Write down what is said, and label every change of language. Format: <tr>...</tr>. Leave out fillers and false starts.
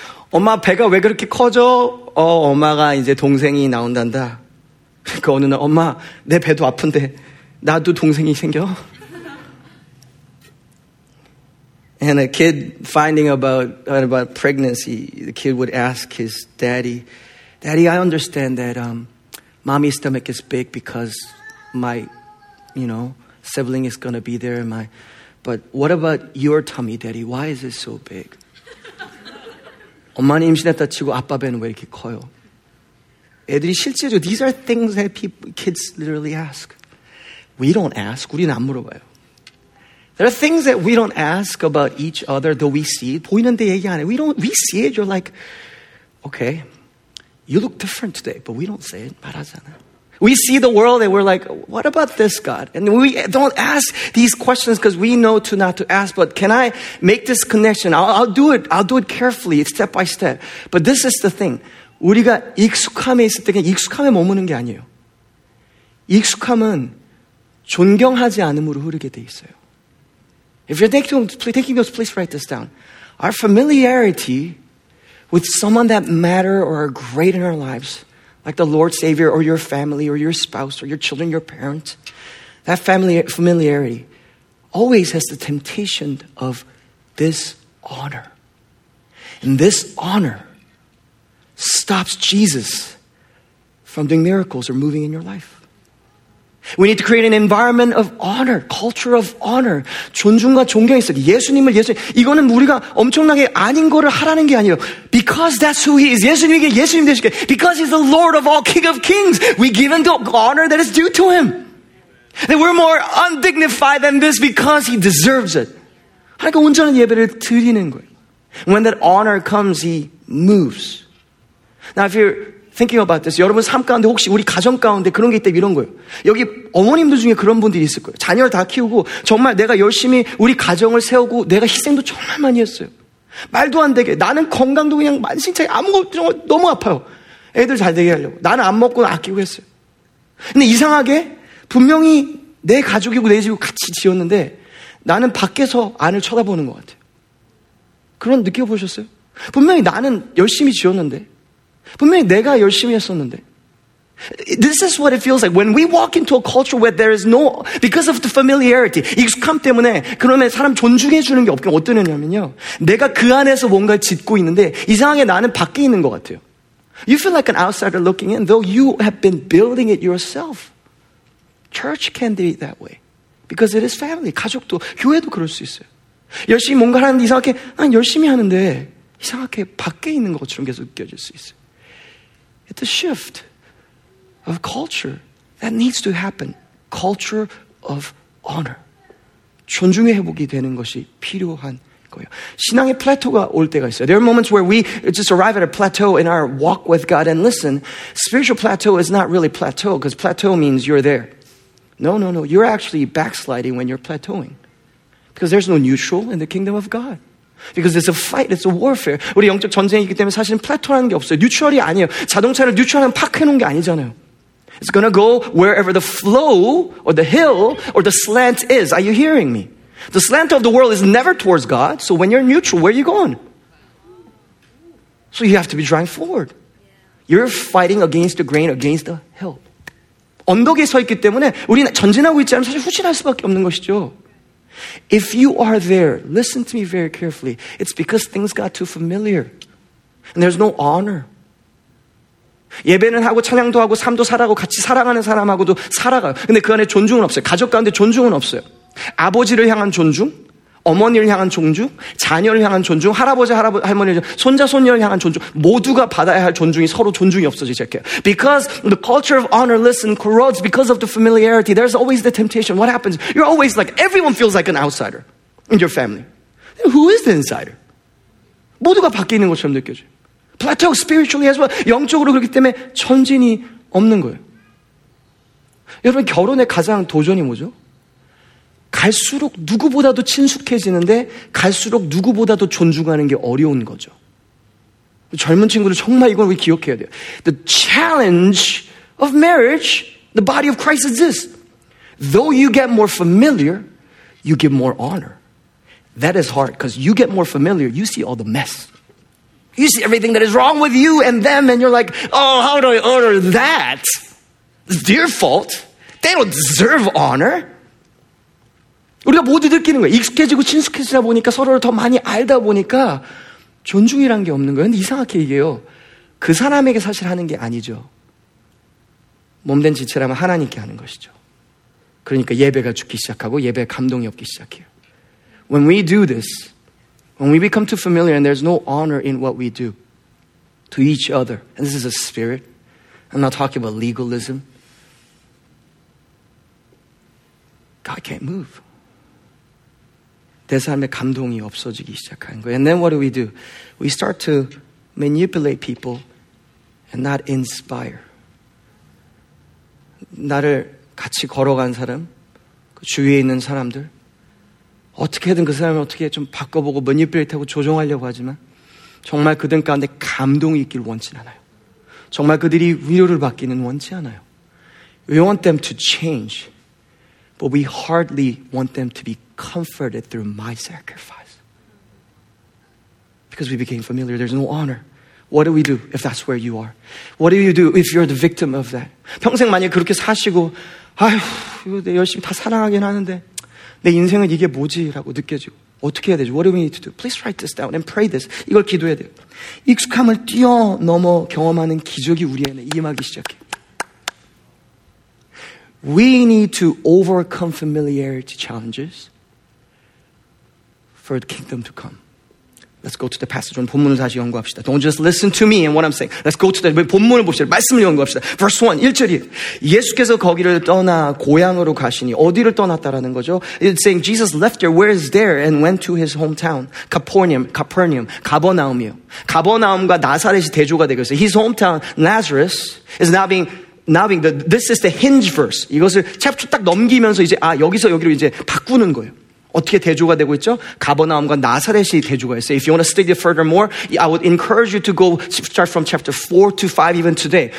<ko>엄마, 배가 왜 그렇게 커져? 엄마가 이제 동생이 나온단다. 그 어느 날, 엄마, 내 배도 아픈데 나도 동생이 생겨?</ko> <en>And a kid finding about pregnancy, the kid would ask his daddy, "Daddy, I understand that mommy's stomach is big because my, you know, sibling is going to be there. But what about your tummy, Daddy? Why is it so big?"</en> <ko>엄마는 임신했다 치고 아빠 배는 왜 이렇게 커요? 애들이 실제로,</ko> <en>these are things that kids literally ask. We don't ask.</en> <ko>우리는 안 물어봐요.</ko> <en>There are things that we don't ask about each other, though we see it.</en> <ko>보이는데 얘기 안 해.</ko> <en>We see it. You're like, okay, you look different today, but we don't say it.</en> <ko>말하잖아.</ko> <en>We see the world and we're like, what about this, God? And we don't ask these questions because we know to not to ask. But can I make this connection? I'll do it. I'll do it carefully, step by step. But this is the thing.</en> <ko>우리가 익숙함에 있을 때 그냥 익숙함에 머무는 게 아니에요. 익숙함은 존경하지 않음으로 흐르게 돼 있어요.</ko> <en>If you're taking notes, please write this down. Our familiarity with someone that matter or are great in our lives, like the Lord, Savior, or your family, or your spouse, or your children, your parents, that familiarity always has the temptation of this honor. And this honor stops Jesus from doing miracles or moving in your life. We need to create an environment of honor, culture of honor.</en> <ko>존중과 존경이 있어요. 예수님을 예수님. 이거는 우리가 엄청나게 아닌 거를 하라는 게 아니에요.</ko> <en>Because that's who he is.</en> <ko>예수님에게 예수님 되실게.</ko> <en>Because he's the Lord of all, King of kings. We give him the honor that is due to him. That we're more undignified than this because he deserves it.</en> <ko>하니까 온전한 예배를 드리는 거예요.</ko> <en>When that honor comes, he moves. Now if you're thinking about this,</en> <ko>여러분 삶 가운데 혹시 우리 가정 가운데 그런 게 있다 이런 거예요. 여기 어머님들 중에 그런 분들이 있을 거예요. 자녀를 다 키우고 정말 내가 열심히 우리 가정을 세우고 내가 희생도 정말 많이 했어요. 말도 안 되게 나는 건강도 그냥 만신창이 아무것도 너무 아파요. 애들 잘 되게 하려고 나는 안 먹고 아끼고 했어요. 근데 이상하게 분명히 내 가족이고 내 집이고 같이 지었는데 나는 밖에서 안을 쳐다보는 것 같아요. 그런 느껴보셨어요? 분명히 나는 열심히 지었는데 분명히 내가 열심히 했었는데.</ko> <en>This is what it feels like when we walk into a culture where there is no, because of the familiarity,</en> <ko>익숙함 때문에 그러면 사람 존중해 주는 게 없긴 어떠냐면요. 내가 그 안에서 뭔가 짓고 있는데 이상하게 나는 밖에 있는 것 같아요.</ko> <en>You feel like an outsider looking in, though you have been building it yourself. Church can be that way because it is family.</en> <ko>가족도 교회도 그럴 수 있어요. 열심히 뭔가 하는데 이상하게 난 열심히 하는데 이상하게 밖에 있는 것처럼 계속 느껴질 수 있어요.</ko> <en>It's a shift of culture that needs to happen. Culture of honor.</en> <ko>존중의 회복이 되는 것이 필요한 거예요. 신앙의 플래토가 올 때가 있어요.</ko> <en>There are moments where we just arrive at a plateau in our walk with God. And listen, spiritual plateau is not really plateau because plateau means you're there. No. You're actually backsliding when you're plateauing because there's no neutral in the kingdom of God. Because it's a fight, it's a warfare.</en> <ko>우리 영적 전쟁이기 때문에 사실은 플래토라는 게 없어요. 뉴트럴이 아니에요. 자동차를 뉴트럴하면 파크해놓은 게 아니잖아요.</ko> <en>It's gonna go wherever the flow or the hill or the slant is. Are you hearing me? The slant of the world is never towards God. So when you're neutral, where are you going? So you have to be drawing forward. You're fighting against the grain, against the hill.</en> <ko>언덕에 서 있기 때문에 우리는 전진하고 있지 않으면 사실 후진할 수밖에 없는 것이죠.</ko> <en>If you are there, listen to me very carefully. It's because things got too familiar. And there's no honor.</en> <ko>예배는 하고 찬양도 하고 삶도 살아가고 같이 사랑하는 사람하고도 살아가요. 근데 그 안에 존중은 없어요. 가족 가운데 존중은 없어요. 아버지를 향한 존중, 어머니를 향한 존중, 자녀를 향한 존중, 할아버지, 할머니, 손자, 손녀를 향한 존중, 모두가 받아야 할 존중이 서로 존중이 없어지기 시작해요.</ko> <en>Because the culture of honor, listen, corrodes because of the familiarity. There's always the temptation. What happens? You're always like, everyone feels like an outsider in your family. Who is the insider?</en> <ko>모두가 밖에 있는 것처럼 느껴져요.</ko> <en>Plateau spiritually as well.</en> <ko>영적으로 그렇기 때문에 전진이 없는 거예요. 여러분 결혼의 가장 도전이 뭐죠? 갈수록 누구보다도 친숙해지는데 갈수록 누구보다도 존중하는 게 어려운 거죠. 젊은 친구들 정말 이걸 우리 기억해야 돼요.</ko> <en>The challenge of marriage, the body of Christ is this. Though you get more familiar, you give more honor. That is hard because you get more familiar, you see all the mess. You see everything that is wrong with you and them and you're like, oh, how do I honor that? It's their fault. They don't deserve honor.</en> <ko>우리가 모두 느끼는 거예요. 익숙해지고 친숙해지다 보니까 서로를 더 많이 알다 보니까 존중이란 게 없는 거예요. 근데 이상하게 이게요. 그 사람에게 사실 하는 게 아니죠. 몸된 지체라면 하나님께 하는 것이죠. 그러니까 예배가 죽기 시작하고 예배에 감동이 없기 시작해요.</ko> <en>When we do this, when we become too familiar and there's no honor in what we do to each other, and this is a spirit, I'm not talking about legalism, God can't move.</en> <ko>내 삶에 감동이 없어지기 시작하는 거예요.</ko> <en>And then what do? We start to manipulate people and not inspire.</en> <ko>나를 같이 걸어간 사람, 그 주위에 있는 사람들, 어떻게든 그 사람을 어떻게 좀 바꿔보고 manipulate하고 조종하려고 하지만 정말 그들 가운데 감동이 있길 원치 않아요. 정말 그들이 위로를 받기는 원치 않아요.</ko> <en>We want them to change, but we hardly want them to be comforted through my sacrifice. Because we became familiar, there's no honor. What do we do if that's where you are? What do you do if you're the victim of that?</en> <ko>평생 만약 그렇게 사시고 아휴, 내 열심히 다 사랑하긴 하는데 내 인생은 이게 뭐지? 라고 느껴지고 어떻게 해야 되지?</ko> <en>What do we need to do? Please write this down and pray this.</en> <ko>이걸 기도해야 돼요. 익숙함을 뛰어넘어 경험하는 기적이 우리 안에 임하기 시작해.</ko> <en>We need to overcome familiarity challenges for the kingdom to come. Let's go to the passage.</en> <ko>오늘 본문을 다시 연구합시다.</ko> <en>Don't just listen to me and what I'm saying. Let's go to the</en> <ko>본문을 봅시다. 말씀을 연구합시다.</ko> <en>Verse 1,</en> <ko>1절이 예수께서 거기를 떠나 고향으로 가시니 어디를 떠났다라는 거죠?</ko> <en>It's saying Jesus left there. Where is there? And went to his hometown.</en> <ko>Capernaum. 가버나움이요. 가버나움과 나사렛이 대조가 되고 있어요.</ko> <en>His hometown, Lazarus, is now being... this is the hinge verse.</en> <ko>이것을 챕터 딱 넘기면서 이제 아 여기서 여기로 이제 바꾸는 거예요. 어떻게 대조가 되고 있죠? 가버나움과 나사렛이 대조가 있어요.</ko> <en>If you want to study further more, I would encourage you to go start from chapter 4 to 5 even today.</en>